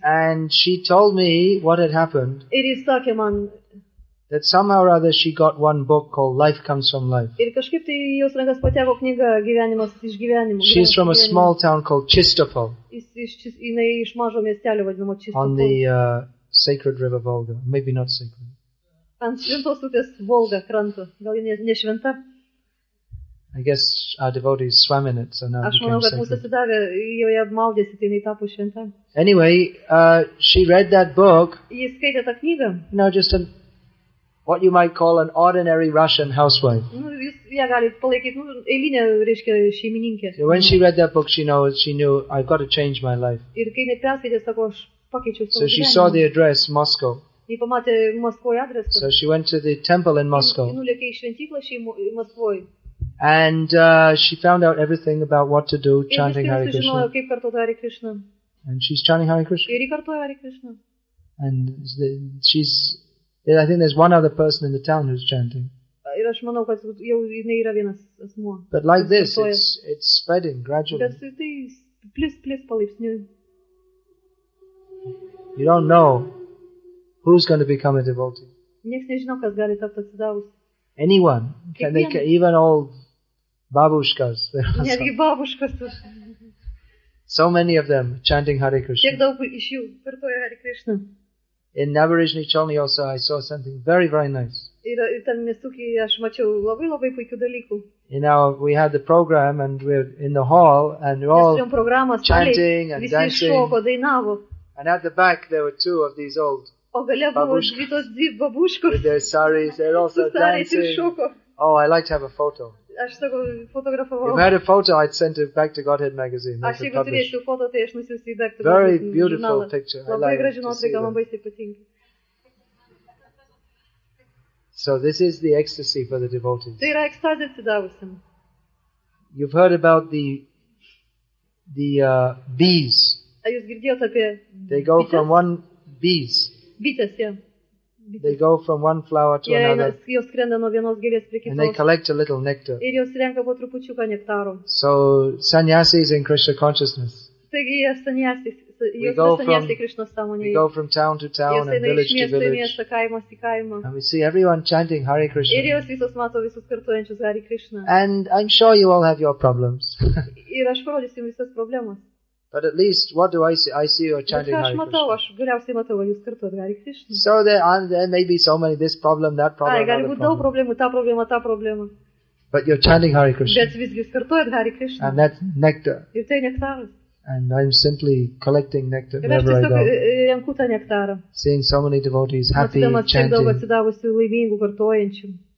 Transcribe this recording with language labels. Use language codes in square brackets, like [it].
[en] And she told me what had happened. [lt] Ir ji sakė man, [en] that somehow or other she got one book called Life Comes from Life. [lt] Ir kažkaip tai jos rankas pateko knyga Gyvenimas iš gyvenimo. [en] She's from a small town called Chistopol. [lt] Jinai iš mažo miestelio vadinamo Chistopol. [en] On the sacred river Volga, maybe not sacred. [lt] Ant šventos upės Volga kranto, gal ne šventa. [en] I guess our devotees swam in it, so now became sacred. Anyway, she read that book. [lt] Ji skaitė tą knygą. [en] Now just what you might call an ordinary Russian housewife. [lt] Ją gali palaikyti, eilinė, reiškia, šeimininkė. [en] So when she read that book, she knew, I've got to change my life. [lt] Ir kai ne perskaitė, sako, aš pakeičiau savo gyvenimą. [en] So she saw the address, Moscow. [lt] Ji pamatė Maskvoje adresą. [en] So she went to the temple in Moscow. [lt] Ji nulėkė į šventyklą Maskvoje. [en] And she found out everything about what to do, chanting Hare Krishna. [lt] Kaip kartoti Hare Krishna. [en] And she's chanting Hare Krishna. [lt] Ir ji kartoja Hare Krishna. [en] And I think there's one other person in the town who's chanting. [lt] Ir aš manau, kad jau jinai yra vienas asmuo. [en] But like this, it's spreading gradually. [lt] Bet tai plis palaipsniui. [en] You don't know who's going to become a devotee. [lt] Nieks nežino, kas gali tapti atsidavus. [en] Anyone. Can they, even old babushkas. [lt] Netgi babushkas. [en] So many of them chanting Hare Krishna. [lt] Kiek daug iš jų kartoja Hare Krishna. [en] In Naberezhny Chelny also I saw something very, very nice. [lt] Ir tam miestuky aš mačiau labai, labai puikių dalykų. [en] You know, we had the program and we're in the hall and we're all chanting and dancing. And at the back there were two of these old babushkas. With their saris, they're also dancing. Oh, I'd like to have a photo. [lt] Aš sako, fotografavau. [en] If I had a photo, I'd send it back to Godhead magazine. [lt] Aš jeigu turėčiau foto, tai aš nusiųsiu į Godhead. [en] Very beautiful picture. [lt] Labai graži nuotrauka, man baisiai patinka. [en] So this is the ecstasy for the devotees. [lt] Tai yra ekstazė atsidavusiam. [en] You've heard about the bees. [lt] Ar jūs girdėjot apie [en] bees? [lt] Bites, jo. [en] They go from one flower to another. [lt] Jos skrenda nuo vienos gėlės prie kitos. [en] And they collect a little nectar. [lt] Ir jos renka po trupučiuką nektaro. [en] So sannyasis in Krishna consciousness. [lt] Taigi jie sannyasis, jos sannyasis Krishna sąmonėje. [en] We go from town to town and village to village. [lt] Jos eina iš miesto į miestą, kaimo į kaimą. [en] And we see everyone chanting Hare Krishna. [lt] Ir jos visos mato visus kartuojančius Hare Krishna. [en] And I'm sure you all have your problems. [lt] Ir aš parodysiu jums visas problemas. [en] But at least, what do I see? I see you are chanting Hare Krishna. [lt] Aš galiausiai matau, jūs kartuojat Hare Krishna. [en] So there may be so many, this problem, that problem, other problem. [lt] Gali būti daug problemų, ta problema, ta problema. [en] But you're chanting Hare Krishna. [lt] Bet visgi jūs kartuojat Hare Krishna. [en] And that's nectar. [lt] Ir tai nektaras. [en] And I'm simply collecting nectar wherever I go. [lt] Renku tą nektarą. [en] Seeing so many devotees happy chanting. [lt] Matydamas tiek daug atsidavusių laimingų kartuojančių.